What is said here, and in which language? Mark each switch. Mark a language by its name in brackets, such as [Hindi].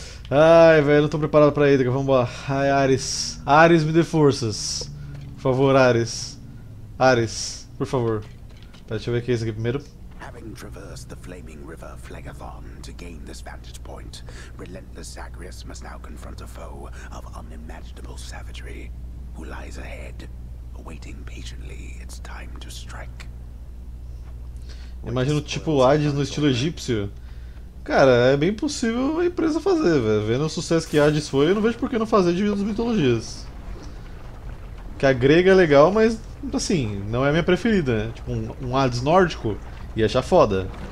[Portuguese] Ai, velho, não tô preparado pra Hydra, vambora. Ai, Ares. Ares, me dê forças. Por favor, Ares. Ares, por favor. Pera, deixa eu ver o que é isso aqui primeiro. [English] Having traversed the flaming river Phlegethon to gain this vantage point, relentless Zagreus must now confront a foe of unimaginable savagery who lies ahead, awaiting patiently its time to strike. [Portuguese] Imagino tipo Hades no estilo egípcio. Cara, é bem possível a empresa fazer, velho. Vendo o sucesso que Hades foi, eu não vejo por que não fazer de das mitologias. Que a grega é legal, mas, assim, não é a minha preferida, né? Tipo, um Hades nórdico ia achar foda.